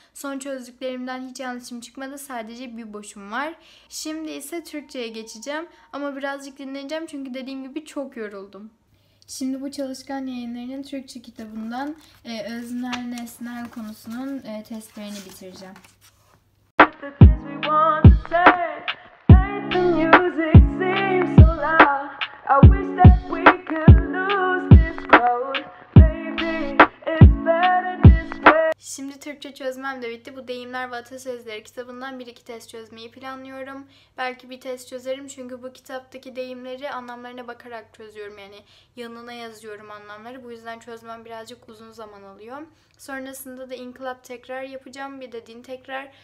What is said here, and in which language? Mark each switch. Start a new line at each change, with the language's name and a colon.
Turkish: Son çözdüklerimden hiç yanlışım çıkmadı. Sadece bir boşum var. Şimdi ise Türkçe'ye geçeceğim. Ama birazcık dinleneceğim çünkü dediğim gibi çok yoruldum. Şimdi bu Çalışkan Yayınları'nın Türkçe kitabından öznel nesnel konusunun testlerini bitireceğim.
English: I wish that we could lose this crowd. Maybe it's better this way.
Turkish: Şimdi Türkçe çözmem de bitti. Bu Deyimler ve Atasözleri kitabından bir iki test çözmeyi planlıyorum. Belki bir test çözerim çünkü bu kitaptaki deyimleri anlamlarına bakarak çözüyorum. Yani yanına yazıyorum anlamları. Bu yüzden çözmem birazcık uzun zaman alıyor. Sonrasında da inkılap tekrar yapacağım. Bir de din tekrar.